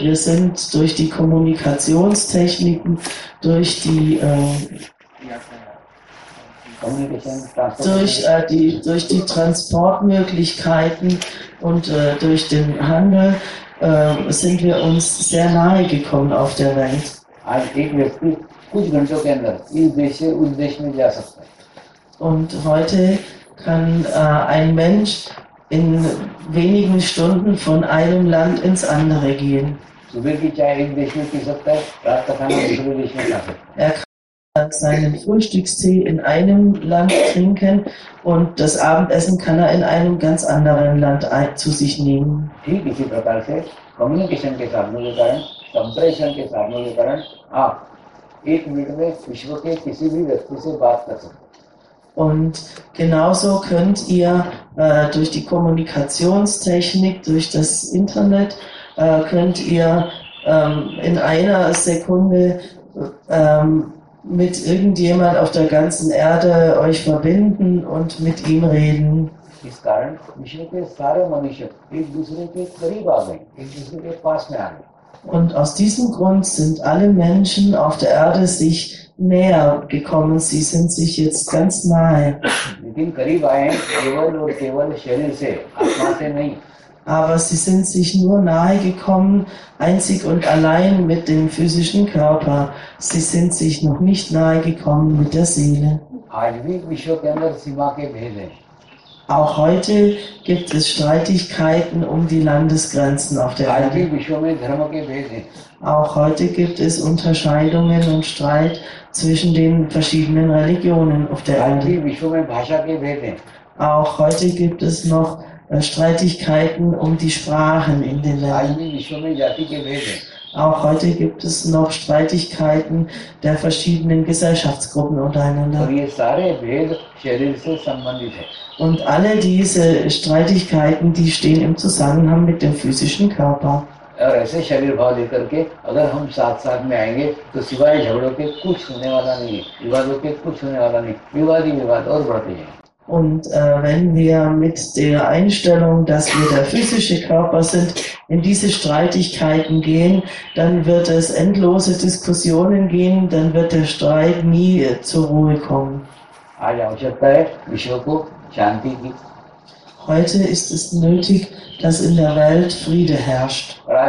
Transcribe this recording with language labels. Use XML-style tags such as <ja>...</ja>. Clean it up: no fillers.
<de>Wir sind durch die Kommunikationstechniken, durch die,</de> <en>communication</en> <de>durch,</de> <en>transportation</en> <de>die, durch die Transportmöglichkeiten und durch den Handel sind wir uns sehr nahe gekommen auf der Welt.</de> <hi>आज एक व्यक्ति कुछ घंटों के अंदर इस देश से उस देश में जा सकता है।</hi> <de>Und heute kann ein Mensch in wenigen Stunden von einem Land ins andere gehen.</de> <hi>सुबह की चाय एक देश में पी सकता है रात का खाना दूसरे देश में खा सकता है।</hi> <de>Er kann seinen Frühstückstee in einem Land trinken und das Abendessen kann er in einem ganz anderen Land zu sich nehmen.</de> <hi>ठीक इसी प्रकार से कम्युनिकेशन के साधनों के कारण संप्रेषण के साधनों के कारण आप 1 मिनट में विश्व के किसी भी व्यक्ति से बात कर सकते हैं।</hi> <de>Und genauso könnt ihr durch die Kommunikationstechnik, durch das Internet, könnt ihr in einer Sekunde mit irgendjemand auf der ganzen Erde euch verbinden und mit ihm reden.</de> <hi>इस कारण विश्व के सारे मनुष्य एक दूसरे के करीब आ गए एक दूसरे के पास में आ गए।</hi> <de>Und aus diesem Grund sind alle Menschen auf der Erde sich näher gekommen. Sie sind sich jetzt ganz nahe.</de> <hi>लेकिन करीब आए हैं केवल और केवल शरीर से आत्मा से नहीं।</hi> <de>Aber sie sind sich nur nahe gekommen, einzig und allein mit dem physischen Körper. Sie sind sich noch nicht nahe gekommen mit der Seele.</de> <hi>आज भी विश्व के अंदर सीमा के भेद हैं।</hi> <de>Auch heute gibt es Streitigkeiten um die Landesgrenzen auf der</de> <hi>आज भी</hi> <de>Erde.</de> <hi>विश्व में धर्म के भेद हैं।</hi> <de>Auch heute gibt es Unterscheidungen und Streit zwischen den verschiedenen Religionen auf der</de> <hi>आज भी</hi> <de>Erde.</de> <hi>विश्व में भाषा के भेद हैं।</hi> <de>Auch heute gibt es noch Streitigkeiten um die Sprachen in den Ländern.</de> <hi>भी विश्व में जाति के भेद हैं।</hi> <de>Auch heute gibt es noch Streitigkeiten der verschiedenen Gesellschaftsgruppen</de> <hi>और</hi> <de>untereinander.</de> <hi>ये सारे भेद शरीर से संबंधित हैं।</hi> <de>Und alle diese Streitigkeiten, die stehen im Zusammenhang mit dem physischen Körper.</de> <hi>और ऐसे शरीर भाव लेकर के अगर हम साथ साथ में आएंगे तो सिवाय झगड़ों के कुछ होने वाला नहीं है विवादों के कुछ होने वाला नहीं विवाद ही विवाद और बढ़ते जाएंगे।</hi> <de>Und wenn wir mit der Einstellung, dass wir der physische Körper sind, in diese Streitigkeiten gehen, dann wird es endlose Diskussionen geben, dann wird der Streit nie zur Ruhe kommen.</de> <hi>आज आवश्यकता है विश्व को शांति की।</hi> <de>Heute ist es nötig, dass in der Welt Friede herrscht.</de>